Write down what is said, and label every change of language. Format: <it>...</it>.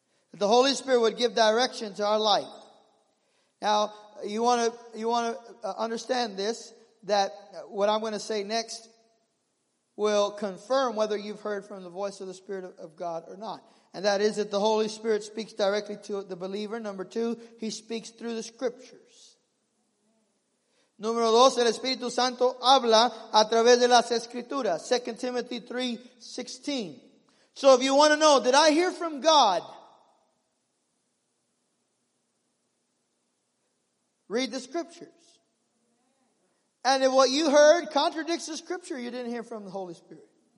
<en>That the Holy Spirit would give direction to our life. Now, you want to understand this. That what I'm going to say next will confirm whether you've heard from the voice of the Spirit of God or not. And that is that the Holy Spirit speaks directly to the believer. Number two, He speaks through the Scriptures.</en> <es>Número dos, el Espíritu Santo habla a través de las Escrituras. 2 Timothy 3:16.</es> <en>So if you want to know, did I hear from God? Read the scriptures. And if what you heard contradicts the scripture, you didn't hear from the Holy Spirit.</en>